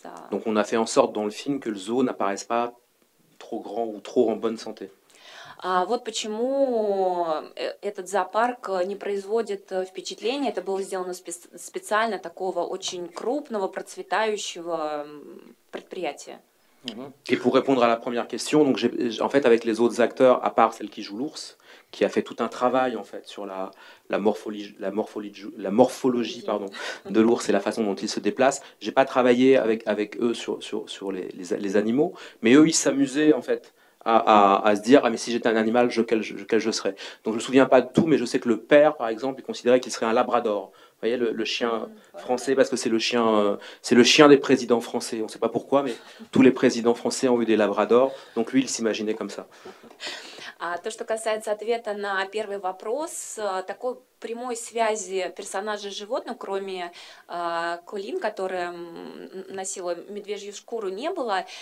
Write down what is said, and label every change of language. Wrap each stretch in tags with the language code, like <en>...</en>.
<fr>Donc on a fait en sorte dans le film que le zoo n'apparaisse pas trop grand ou trop en bonne santé.</fr> <ru>Вот почему этот зоопарк не производит впечатление. Это было сделано специально такого очень крупного процветающего предприятия.</ru> <fr>Et pour répondre à la première question, donc en fait avec les autres acteurs, à part celle qui joue l'ours, qui a fait tout un travail en fait sur la morphologie pardon, de l'ours et la façon dont il se déplace, j'ai pas travaillé avec eux sur les animaux, mais eux ils s'amusaient en fait à se dire ah mais si j'étais un animal, quel je serais. Donc je me souviens pas de tout, mais je sais que le père par exemple, il considérait qu'il serait un labrador. Vous voyez le chien français, parce que c'est le chien des présidents français. On ne sait pas pourquoi, mais tous les présidents français ont eu des labradors. Donc lui, il s'imaginait comme ça.</fr> <ru>То, что касается ответа на первый вопрос, такой прямой связи персонажа с животным, кроме Колин, которая носила медвежью шкуру, не было.</ru>